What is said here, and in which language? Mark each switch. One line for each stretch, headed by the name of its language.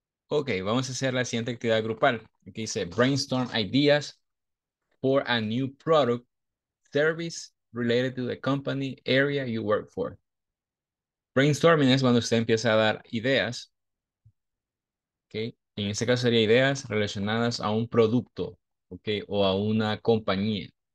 Spanish: Ok, vamos a hacer la siguiente actividad grupal. Aquí dice,
English: brainstorm ideas for a new product, service related to the company area you work for.
Spanish: Brainstorming es cuando usted empieza a dar ideas. Ok, en este caso sería ideas relacionadas a un producto, ok, o a una compañía.